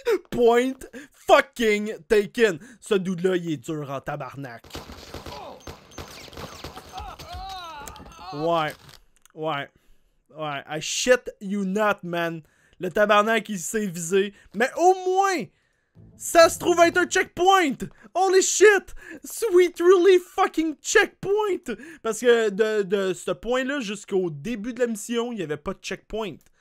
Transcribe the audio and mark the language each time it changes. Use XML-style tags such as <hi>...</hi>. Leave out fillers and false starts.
<en>Point fucking taken.</en> <fr>Ce dude-là, il est dur en tabarnak.</fr> <en>Ouais. I shit you not, man.</en> <fr>Le tabarnak, il s'est visé. Mais au moins, ça se trouve être un checkpoint.</fr> <en>Holy shit. Sweet really fucking checkpoint.</en> <fr>Parce que de ce point-là jusqu'au début de la mission, il n'y avait pas de checkpoint.</fr>